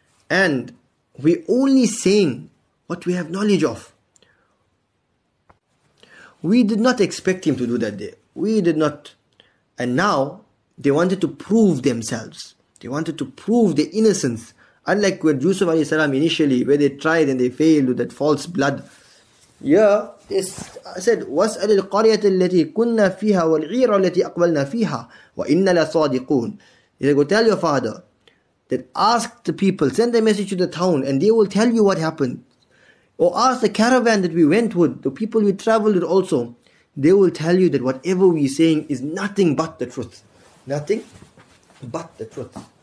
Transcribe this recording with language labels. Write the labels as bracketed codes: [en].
[en] And we only saying what we have knowledge of. We did not expect him to do that day. We did not. And now they wanted to prove themselves. They wanted to prove their innocence. Unlike with Yusuf alayhi salam initially, where they tried and they failed with that false blood. Yeah, it's, I said, [ar] واسأل القرية التي كنا فيها والعير التي أقبلنا فيها وإن لصادقون. [en] He said, go tell your father that ask the people, send a message to the town and they will tell you what happened. Or ask the caravan that we went with, the people we traveled with also, they will tell you that whatever we are saying is nothing but the truth. Nothing but the truth.